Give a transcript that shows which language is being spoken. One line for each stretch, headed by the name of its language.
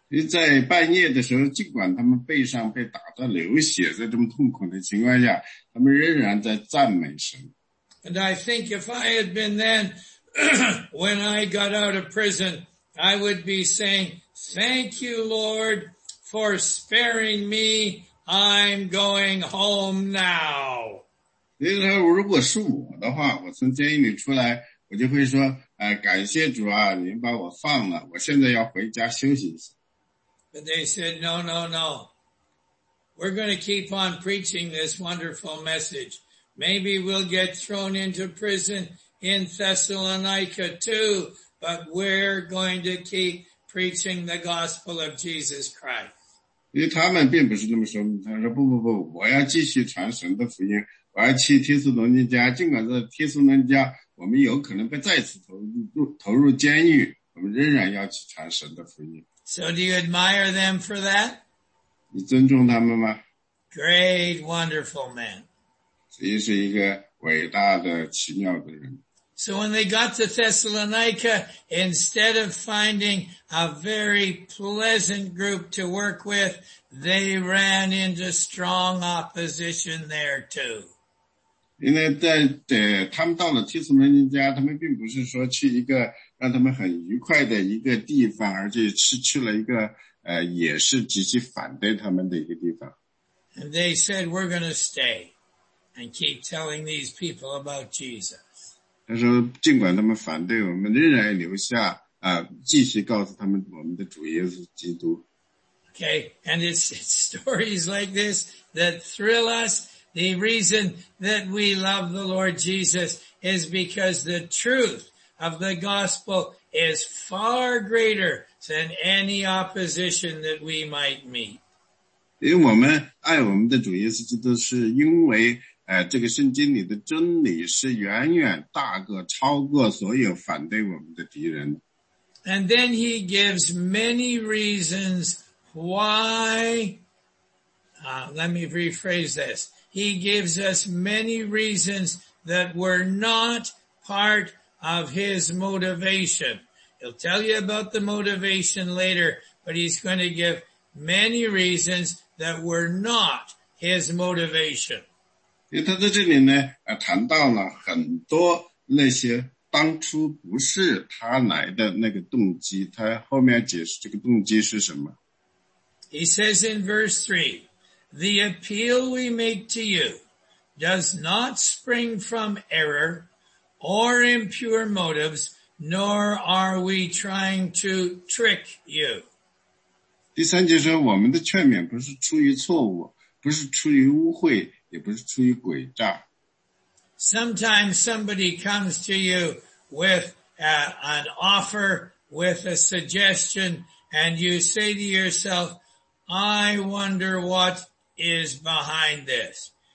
Chinese: 在半夜的时候，尽管他们背上被打得流血，在这么痛苦的情况下，他们仍然在赞美神。
English: And I think if I had been then, when I got out of prison, I would be saying, thank you, Lord,For sparing me, I'm going home now.
Chinese: 因为他说如果是我的话，我从监狱里出来，我就会说，感谢主啊，您把我放了，我现在要回家休息一下。
English: But they said, no, no, no. We're going to keep on preaching this wonderful message. Maybe we'll get thrown into prison in Thessalonica too, but we're going to keep preaching the gospel of Jesus Christ.
Chinese: 因为他们并不是那么说，他说不不不，我要继续传神的福音，我要去提斯农家，尽管在提斯农家我们有可能被再次投入监狱，我们仍然要去传神的福音。
English: So do you admire them for that?
Chinese: 你尊重他们吗？
English: Great, wonderful man.
Chinese: 所以是一个伟大的奇妙的人。
English: So when they got to Thessalonica, instead of finding a very pleasant group to work with, they ran into strong opposition there too.
Chinese: 因为在他们到了提斯门尼家，他们并不是说去一个让他们很愉快的一个地方，而且是去了一个也是极其反对他们的一个地方。
English: And they said, "We're going to stay and keep telling these people about Jesus."
Chinese: 他说尽管他们反对我们仍然留下继续告诉他们我们的主耶稣基督。
English: Okay, and it's stories like this that thrill us. The reason that we love the Lord Jesus is because the truth of the gospel is far greater than any opposition that we might meet.
Chinese: 因为我们爱我们的主耶稣基督是因为这个圣经里的真理是远远大过超过所有反对我们的敌人。
English: And then he gives many reasons why, let me rephrase this. He gives us many reasons that were not part of his motivation. He'll tell you about the motivation later, but he's going to give many reasons that were not his motivation.
Chinese: 因为他在这里呢谈到了很多那些当初不是他来的那个动机，他后面解释这个动机是什么。
English: He says in verse 3, "The appeal we make to you does not spring from error or impure motives, nor are we trying to trick you."
Chinese: 第三节说，我们的劝勉不是出于错误，不是出于污秽，也不是出于诡诈。
English: Sometimes somebody comes to you with an offer, with a suggestion, and you say to yourself, "I wonder what is behind this.